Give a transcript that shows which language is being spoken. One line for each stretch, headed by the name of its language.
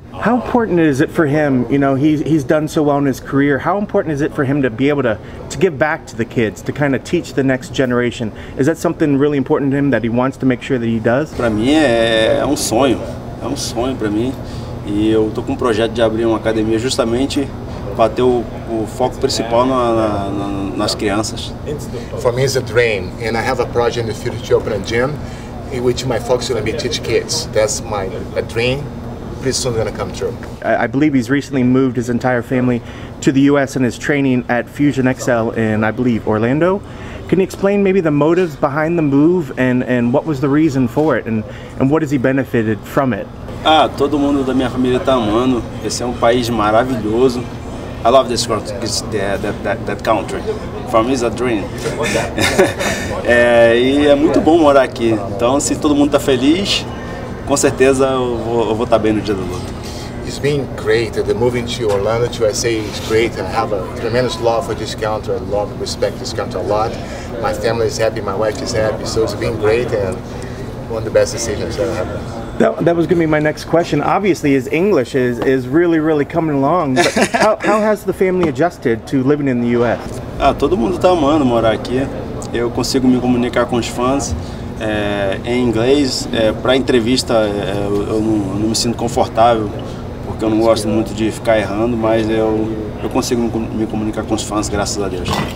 English: How important is it for him, you know, he's done so well in his career, how important is it for him to be able to give back to the kids, to kind of teach the next generation? Is that something really important to him that he wants to make sure that he does?
Portuguese: Para mim é um sonho. É um sonho para mim. E eu tô com um projeto de abrir uma academia justamente para ter o foco principal nas crianças.
English: For me, it's a dream, and I have a project in the future to open a gym in which my focus is going to be teach kids. That's a dream. Pretty soon going to come true. I believe he's recently moved his entire family to the U.S. and is training at Fusion XL in, I believe, Orlando. Can you explain maybe the motives behind the move and what was the reason for it and what has he benefited from it?
Portuguese: Ah, todo mundo da minha família tá amando. Esse é país maravilhoso.
English: I love this country, that country. For me, it's a dream.
Portuguese: e é muito bom morar aqui. Então, se todo mundo tá feliz, com certeza eu vou estar bem no dia da luta.
English: It's been great. The moving to Orlando to USA is great, and I have a tremendous love for this country. I love and respect this country a lot. My family is happy, my wife is happy, so it's been great and one of the best decisions I've ever had. That was going to be my next question. Obviously, his English is really, really coming along. But how has the family adjusted to living in the U.S.?
Portuguese: Ah, todo mundo está amando morar aqui. Eu consigo me comunicar com os fãs em inglês. Para entrevista, eu não me sinto confortável, porque eu não gosto muito de ficar errando, mas eu consigo me comunicar com os fãs, graças a Deus.